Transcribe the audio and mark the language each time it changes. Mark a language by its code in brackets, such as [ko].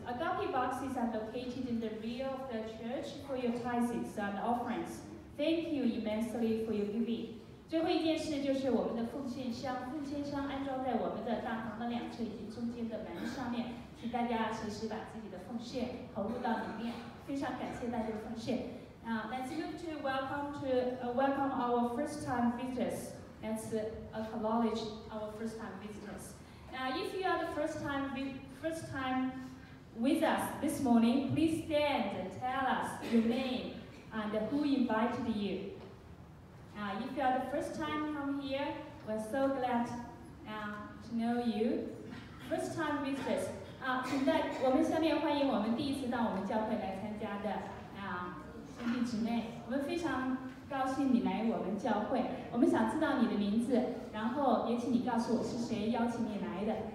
[en] Agape boxes are located in the rear of the church for your tithes and offerings. Thank you immensely for your giving. [zh] 最后一件事就是我们的奉献箱，奉献箱安装在我们的大堂的两侧以及中间的门上面，请大家随时把自己的奉献投入到里面。非常感谢大家的奉献。 [en] Let's move to welcome our first time visitors. Let's acknowledge our first time visitors. Now, if you are the first time with us this morning, please stand and tell us your name and who invited you. Now, if you are the first time come here, we're so glad to know you. First time visitors. [zh] 请在我们下面欢迎我们第一次到我们教会来参加的 兄弟姊妹，我们非常高兴你来我们教会。我们想知道你的名字，然后也请你告诉我是谁邀请你来的。